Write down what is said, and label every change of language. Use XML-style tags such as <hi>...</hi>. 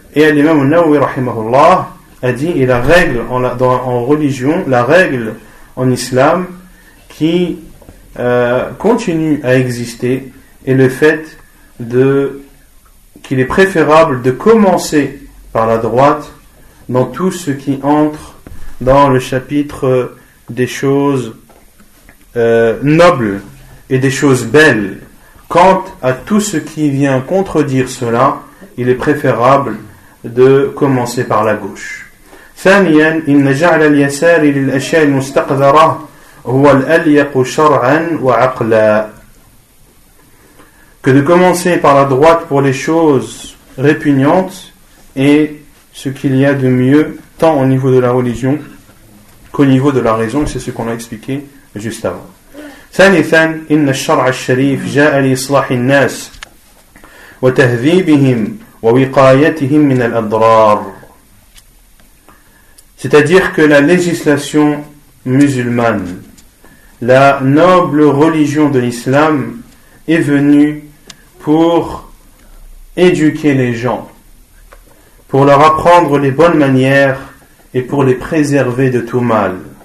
<fr>Et l'imam Nawawi rahimahullah a dit, et la règle en religion, la règle en islam qui continue à exister est le fait qu'il est préférable de commencer par la droite dans tout ce qui entre dans le chapitre des choses nobles et des choses belles. Quant à tout ce qui vient contredire cela, il est préférable de commencer par la gauche.</fr> <ar>ثانيا إن جعل اليسار للأشياء المستقذرة هو الأليق شرعا وعقلا.</ar> <fr>Que de commencer par la droite pour les choses répugnantes est ce qu'il y a de mieux tant au niveau de la religion qu'au niveau de la raison, c'est ce qu'on a expliqué juste avant.</fr> <ar>ثالثا إن الشرع الشريف جاء لإصلاح الناس وتهذيبهم ووقايتهم من الأضرار.</ar> <fr>C'est-à-dire que la législation musulmane, la noble religion de l'islam, est venue pour éduquer les gens, pour leur apprendre les bonnes manières et pour les préserver de tout mal.</fr>